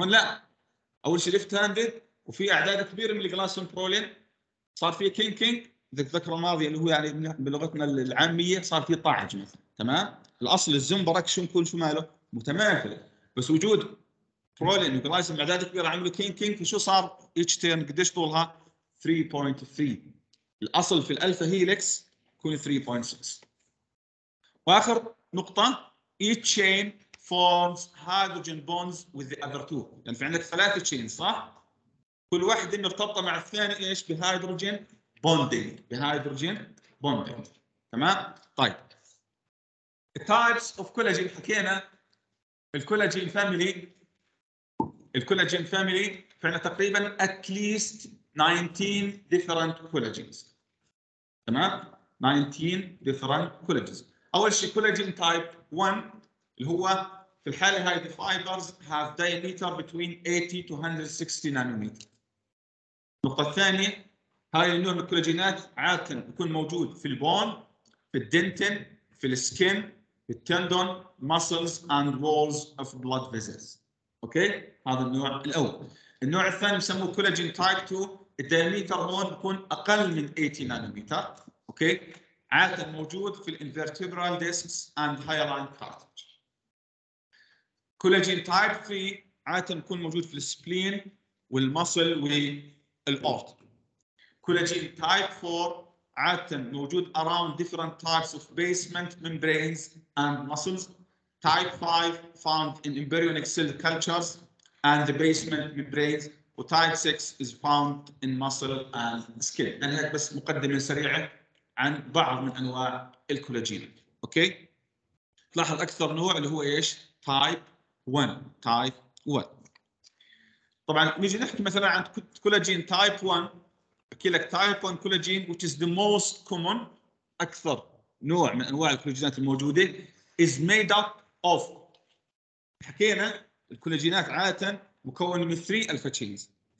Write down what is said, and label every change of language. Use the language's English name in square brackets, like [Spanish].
[Arabic] هون لا، أول شيء ليفت هاندد وفي أعداد كبيرة من الجلايسين برولين، صار فيه كينكينج ذكر الماضي اللي هو يعني بلغتنا العامية صار فيه طعج مثلا. تمام، الأصل الزنبرك شو نكون شو ماله متماثل، بس وجود برولين وجلايسين أعداد كبيرة عملوا كينكينج. شو صار إتش تيرن قديش طولها؟ 3.3. الأصل في الألفا هيليكس يكون 3.6. وآخر نقطة، [English] each chain forms hydrogen bonds with the other two. [Arabic] يعني في عندك ثلاثة chain صح؟ كل واحد مرتبطة مع الثاني إيش؟ بهيدروجين bonding. بهيدروجين bonding. تمام؟ طيب. [English] The types of collagen [Arabic] حكينا. الكولاجين family. الكولاجين family فعنا تقريبا [English] at least 19 different collagens. [Arabic] تمام؟ [English] 19 different collagens. [Arabic] أول شيء [English] collagen type 1 [Arabic] اللي هو في الحالة هاي [English] the fibers have diameter between 80 to 160 nanometer. [Arabic] النقطة الثانية هاي النوع من الكولاجينات عادة يكون موجود في البون، في الدنتن، في السكين، في التندون، [English] muscles and walls of blood vessels. [Arabic] أوكي؟ هذا النوع الأول. النوع الثاني يسموه كولاجين type 2، الدياميتر هون يكون أقل من 80 نانومتر. أوكي؟ عادة موجود في الانفيرتيبرال ديسكس [English] and hyaline cartilage. [Arabic] كولاجين type 3 عادة يكون موجود في السبلين والمسل والأورت. [English] collagen type 4 [Arabic] عادة موجود [English] around different types of basement membranes and muscles. Type 5 found in embryonic cell cultures and the basement membranes. وtype 6 is found in muscle and skin. [Arabic] أنا هيك بس مقدمة سريعة عن بعض من أنواع الكولاجين. أوكي؟ لاحظ أكثر نوع اللي هو إيش؟ type 1 تايب 1. طبعا نيجي نحكي مثلا عن كولاجين تايب 1، احكي لك تايب 1 كولاجين [English] which is the most common، [Arabic] اكثر نوع من انواع الكولاجينات الموجوده، [English] is made up of، [Arabic] حكينا الكولاجينات عاده مكون من 3 الفا تشينز.